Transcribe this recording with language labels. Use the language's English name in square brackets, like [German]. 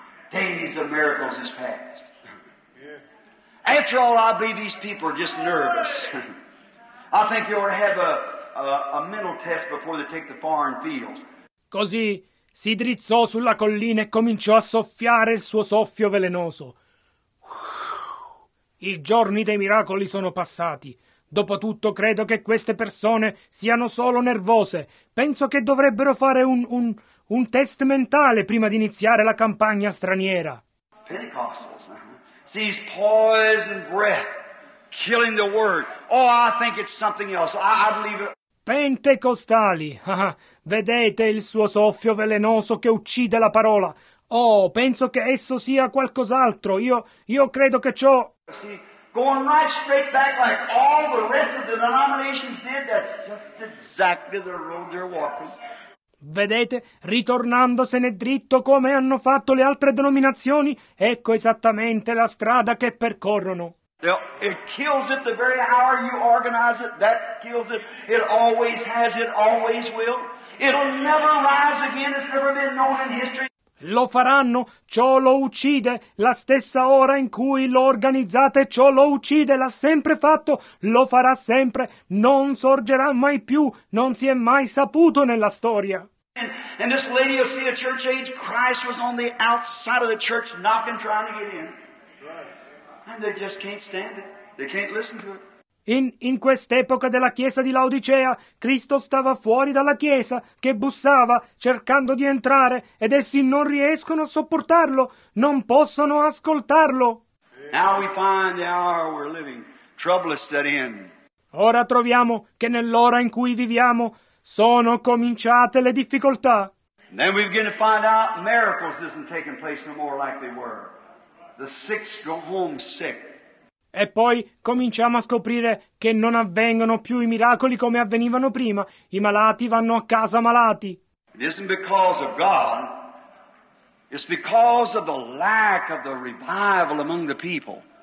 [English] Days of miracles is past. After all, I believe these people are just nervous. I think they ought to have a mental test before they take the foreign field. [Italian] Così si drizzò sulla collina e cominciò a soffiare il suo soffio velenoso. I giorni dei miracoli sono passati. Dopotutto credo che queste persone siano solo nervose. Penso che dovrebbero fare un test mentale prima di iniziare la campagna straniera. [English] Pentecostals, sees poison breath, killing the word. Oh, I think it's something else. I believe it. [Italian] Pentecostali, vedete il suo soffio velenoso che uccide la parola. Oh, penso che esso sia qualcos'altro. Io credo che ciò. [English] See, going right straight back like all the rest of the denominations did, that's just exactly the road they're walking. [Italian] Vedete, ritornandosene dritto come hanno fatto le altre denominazioni, ecco esattamente la strada che percorrono. [English] It kills it the very hour you organize it, that kills it, it always has, it always will. It'll never rise again, it's never been known in history. [Italian] Lo faranno, ciò lo uccide, la stessa ora in cui lo organizzate, ciò lo uccide, l'ha sempre fatto, lo farà sempre, non sorgerà mai più, non si è mai saputo nella storia. [English] And this lady will see a church age, Christ was on the outside of the church knocking, trying to get in. And they just can't stand it, they can't listen to it. [Italian] In quest'epoca della chiesa di Laodicea, Cristo stava fuori dalla chiesa, che bussava, cercando di entrare, ed essi non riescono a sopportarlo, non possono ascoltarlo. [English] Now we find the hour we're living, trouble is set in. [Italian] Ora troviamo che nell'ora in cui viviamo sono cominciate le difficoltà. [English] And then we begin to find out miracles isn't taking place no more like they were. The sick go home sick. [Italian] E poi cominciamo a scoprire che non avvengono più i miracoli come avvenivano prima. I malati vanno a casa malati. [English] It isn't because of God. It's because of the lack of the revival among the people.